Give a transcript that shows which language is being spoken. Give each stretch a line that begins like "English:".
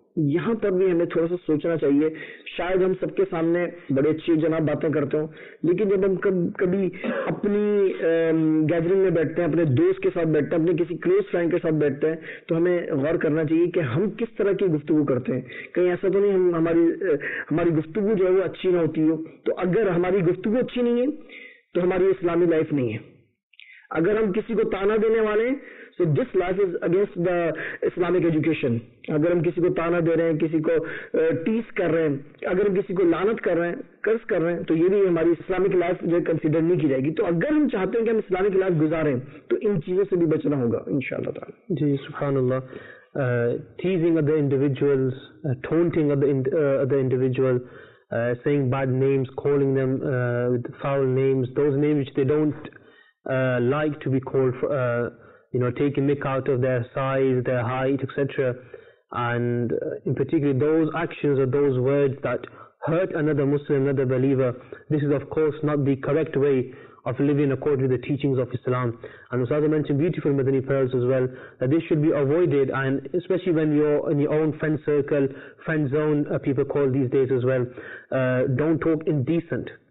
Hindi: यहां पर भी हमें थोड़ा सा सोचना चाहिए, शायद हम सबके सामने बड़े अच्छी जनाब बातें करते हो, लेकिन जब हम कभी अपनी गैदरिंग में बैठते हैं, अपने दोस्त के साथ बैठते हैं, अपने किसी क्लोज फ्रेंड के साथ बैठते हैं, तो हमें गौर करना चाहिए कि हम किस तरह की गुफ्तगू करते हैं। कहीं ऐसा तो नहीं हमारी गुफ्तगू जो है वो अच्छी ना होती हो। तो अगर हमारी गुफ्तगू अच्छी नहीं है तो हमारी इस्लामी लाइफ नहीं है। अगर हम किसी को ताना देने वाले,
English: so this life is against the Islamic education.
Hindi: अगर हम किसी को ताना दे रहे हैं, किसी को टीस कर रहे हैं, अगर हम किसी को लानत कर रहे हैं, कर्ज कर रहे हैं, तो ये भी हमारी इस्लामिक लाइफ जो है कंसिडर नहीं की जाएगी। तो अगर हम चाहते हैं कि हम इस्लामिक लाइफ गुजारें, तो इन चीजों से भी बचना होगा इंशाल्लाह ताला। जी सुभानअल्लाह।
English: Teasing other individuals, taunting other individual, saying bad names, calling them with foul names, those names which they don't like to be called, you know, taking mick out of their size, their height, etc. And in particular, those actions or those words that hurt another Muslim, another believer, this is of course not the correct way of living according to the teachings of Islam. And as I mentioned, beautiful Madani pearls as well, that this should be avoided, and especially when you're in your own friend circle, friend zone, people call these days as well, don't talk indecent.